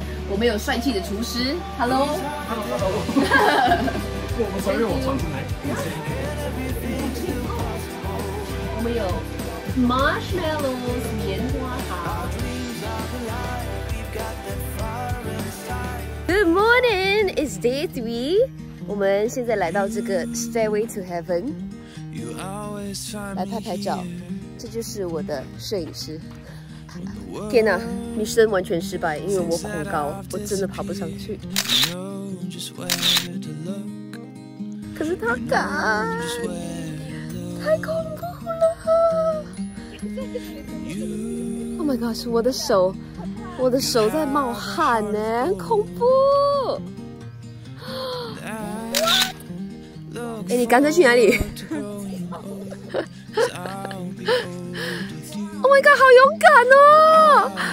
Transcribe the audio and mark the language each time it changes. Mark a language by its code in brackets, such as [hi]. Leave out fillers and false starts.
[zh] 我们有帅气的厨师 ， [en] Hello。 [zh] 我们有 marshmallows 棉花糖。 [en] Good morning, it's day three。 [zh] 我们现在来到这个 Stairway to Heaven， 来拍拍照。这就是我的摄影师。天哪，女生完全失败，因为我恐高，我真的爬不上去。可是他敢，太恐怖了。 [en] Oh my gosh， [zh] 我的手在冒汗呢，很恐怖。哎，你刚才去哪里？ [en] Oh my god， [zh] 好勇敢哦！